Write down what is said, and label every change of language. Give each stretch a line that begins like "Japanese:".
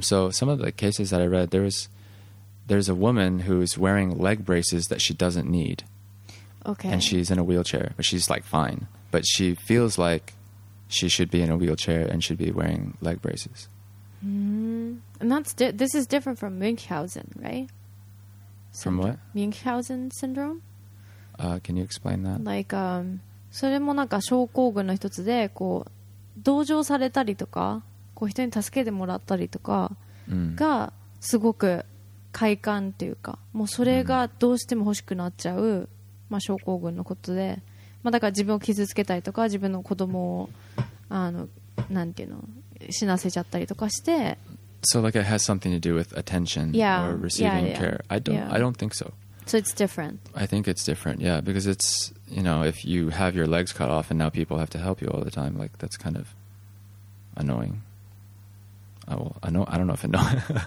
English: so some of the cases that I read, there's a woman who's wearing leg braces that she doesn't need. Okay. And she's in a wheelchair, but she's like fine. But she feels like she should be in a wheelchair and should be wearing leg braces. Mm-hmm. And that's this is different from Munchausen, right? From what? Munchausen syndrome. Can you explain that?
Japanese: Like, それもなんか症候群の一つでこう同情されたりとかこう人に助けてもらったりとかがすごく快感っていうかもうそれがどうしても欲しくなっちゃうまあ症候群のことでまあだから自分を傷つけたりとか自分の子供をあのなんていうの死なせちゃったりとかして
English: So like it has something to do with attention yeah, or receiving yeah, yeah. care I don't think so So it's different I think it's different yeah because it'sYou know, if you have your legs cut off and now people have to help you all the time, like, that's kind of annoying. I don't know if annoying...